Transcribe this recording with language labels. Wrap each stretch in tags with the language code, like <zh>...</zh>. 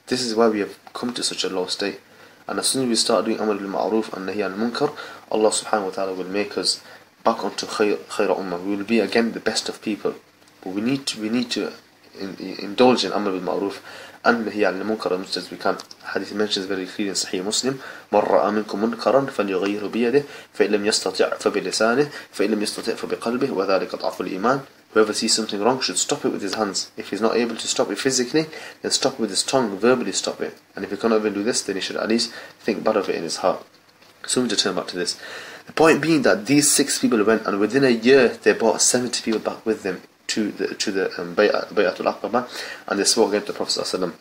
<en>This is why we have come to such a low state. And as soon as we start doing amr bil ma'ruf and nahi al munkar, Allah subhanahu wa ta'ala will make us back onto khayr ummah. We will be again the best of people. But we need to indulge in amr bil ma'ruf and nahi al munkar as much as we can. Hadith mentions very clearly in Sahih Muslim,</en> <ar>مَنْ رَأَى مِنْكُمْ مُنْكَرًا فَلْيُغَيِّرْهُ بِيَدِهِ فَإِنْ لَمْ يَسْتَطِعْ فَبِلِسَانِهِ فَإِنْ لَمْ يَسْتَطِعْ فَبِقَلْبِهِ وَذَلِكَ ضَعْفُ الْإِيمَانِ.</ar> <en>Whoever sees something wrong should stop it with his hands. If he's not able to stop it physically, then stop it with his tongue, verbally stop it. And if he cannot even do this, then he should at least think bad of it in his heart. So we need to turn back to this. The point being that these six people went, and within a year, they brought 70 people back with them to the Bay'atul Aqaba, and they spoke again to the Prophet ﷺ.</en>